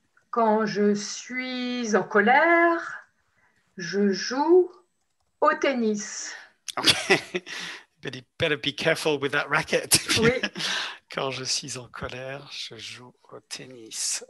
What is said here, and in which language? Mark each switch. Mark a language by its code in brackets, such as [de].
[fr] Quand je suis en colère, je joue au tennis. Okay. [en] But you better be careful with that racket. [fr] Oui. Quand je suis en colère, je joue au tennis.